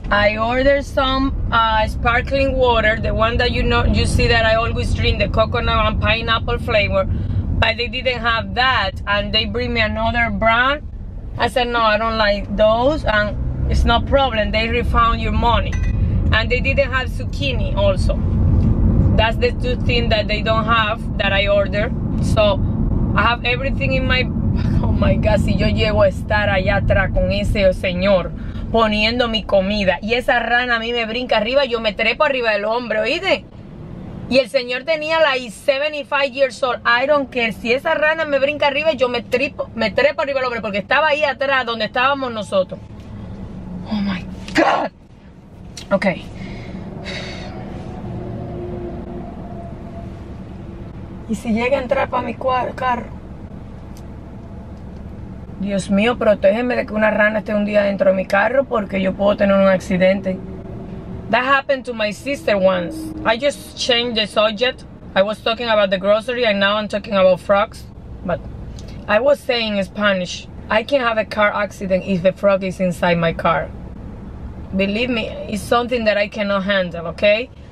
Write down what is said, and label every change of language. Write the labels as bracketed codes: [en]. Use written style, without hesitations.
[en] I ordered some sparkling water, the one that you know, you see that I always drink, the coconut and pineapple flavor, but they didn't have that, and they bring me another brand. I said, no, I don't like those, and it's no problem, they refund your money. And they didn't have zucchini also. That's the two things that they don't have that I ordered. So I have everything in my, oh my God, [es] si yo llego a estar allá atrás con ese señor, poniendo mi comida y esa rana a mí me brinca arriba, yo me trepo arriba del hombre, ¿oíste? Y el señor tenía la [en] like 75 years old. I don't care. [es] Si esa rana me brinca arriba, yo me trepo arriba del hombre porque estaba ahí atrás donde estábamos nosotros. [en] Oh my God. Okay. [es] ¿Y si llega a entrar para mi carro? Dios mío, protégeme de que una rana esté un día dentro de mi carro porque yo puedo tener un accidente. [en] That happened to my sister once. I just changed the subject. I was talking about the grocery and now I'm talking about frogs. But I was saying in Spanish, I can have a car accident if a frog is inside my car. Believe me, it's something that I cannot handle, okay?